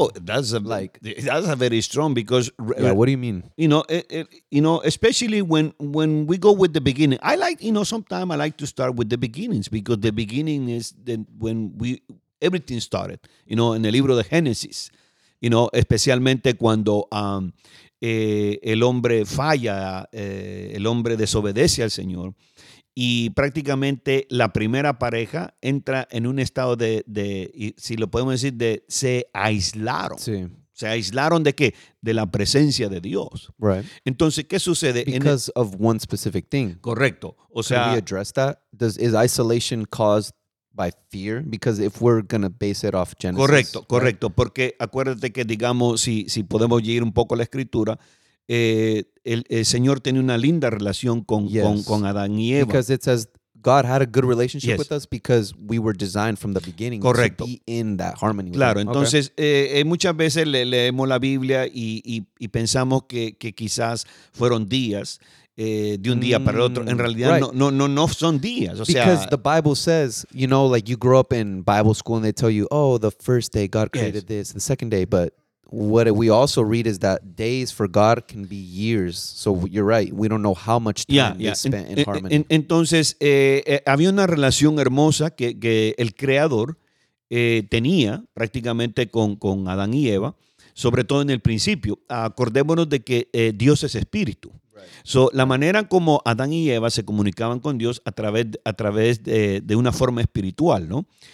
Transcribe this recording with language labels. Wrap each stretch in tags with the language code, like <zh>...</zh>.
<en>That's a very strong because. Yeah, what do you mean? You know, especially when we go with the beginning, I like, you know, sometimes I like to start with the beginnings because the beginning is then when everything started, you know, in the</en> <es>libro de Genesis,</es> <en>you know,</en> <es>especialmente cuando. El hombre falla, el hombre desobedece al Señor y prácticamente la primera pareja entra en un estado de si lo podemos decir, de se aislaron. Sí. ¿Se aislaron de qué? De la presencia de Dios.</es> <en>Right.</en> <es>Entonces, ¿qué sucede?</es> <en>Because of one specific thing.</en> <es>Correcto.</es> <en>Can we address that? Is isolation caused by fear? Because if we're going to base it off Genesis.</en> <es>Correcto,</es> <en>right?</en> <es>Correcto. Porque acuérdate que, digamos, si podemos ir un poco a la escritura, el Señor tiene una linda relación con Adán y Eva.</es> <en>Because it says God had a good relationship with us because we were designed from the beginning</en> <es>Correcto.</es> <en>To be in that harmony.</en> <es>Claro, entonces muchas veces leemos la Biblia y pensamos que quizás fueron días de un día para el otro. En realidad no son días.</es> <en>Because the Bible says, you know, like you grow up in Bible school and they tell you, oh, the first day God created this, the second day, but what we also read is that days for God can be years. So you're right. We don't know how much time they spent in harmony.</en> <es>Entonces, había una relación hermosa que el Creador tenía prácticamente con Adán y Eva, sobre todo en el principio. Acordémonos de que Dios es espíritu.</es> <en>Right. So</en> <es>la manera como Adán y Eva se comunicaban con Dios a través de una forma espiritual, ¿no?</es>